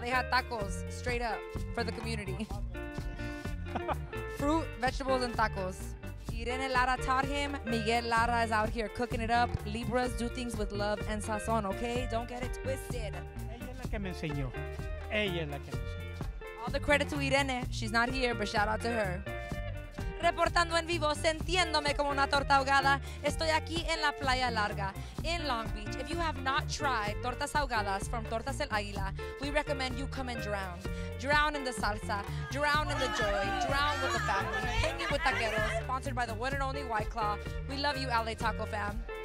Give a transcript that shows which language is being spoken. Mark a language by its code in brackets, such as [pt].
[en] They had tacos straight up for the community. Fruit, vegetables, and tacos. Irene Lara taught him. Miguel Lara is out here cooking it up. Libras do things with love and sazon, okay? Don't get it twisted. [es] Ella es la que me enseñó. Ella es la que me enseñó. [en] All the credit to Irene. She's not here, but shout out to her. [es] Reportando en vivo, sintiéndome como una torta ahogada, estoy aquí en la Playa Larga, [en] in Long Beach. If you have not tried tortas ahogadas from Tortas El Águila, we recommend you come and drown. Drown in the salsa, drown in the joy, drown with the family, hanging with taqueros, sponsored by the one and only White Claw. We love you, LA Taco fam.